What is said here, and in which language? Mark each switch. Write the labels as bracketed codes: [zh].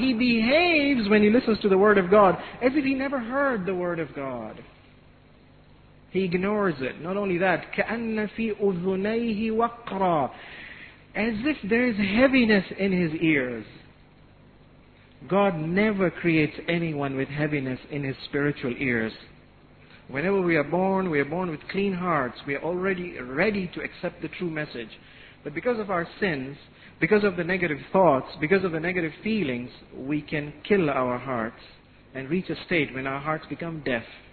[en] He behaves, when he listens to the word of God, as if he never heard the word of God. He ignores it. Not only that, [ar] كَأَنَّ فِي أُذُنَيْهِ وَقْرًا. [en] As if there is heaviness in his ears. God never creates anyone with heaviness in his spiritual ears. Whenever we are born with clean hearts. We are already ready to accept the true message. But because of our sins, because of the negative thoughts, because of the negative feelings, we can kill our hearts and reach a state when our hearts become deaf.